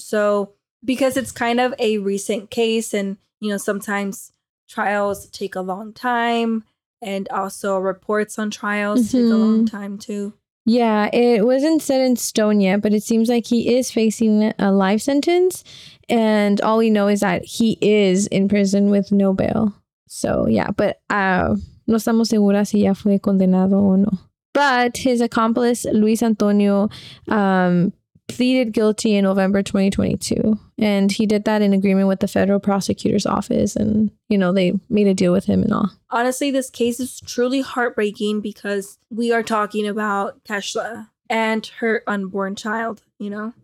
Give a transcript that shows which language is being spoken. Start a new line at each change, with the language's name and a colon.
English: So because it's kind of a recent case and, you know, sometimes trials take a long time and also reports on trials mm-hmm. take a long time too. Yeah, it wasn't set in stone yet, but it seems like he is facing a life sentence. And all we know is that he is in prison with no bail. So, yeah, but
Spanish: no estamos seguras si ya fue condenado o no.
English: But his accomplice, Luis Antonio, pleaded guilty in November 2022, and he did that in agreement with the federal prosecutor's office, and, you know, they made a deal with him and all. Honestly, this case is truly heartbreaking because we are talking about Kesha and her unborn child, you know?